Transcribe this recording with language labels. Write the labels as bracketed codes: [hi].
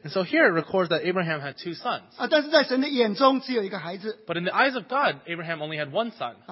[en] And so here it records that Abraham had two sons. [zh] 但是在神的眼中只有一个孩子。 [en] But in the eyes of God, Abraham only had one son.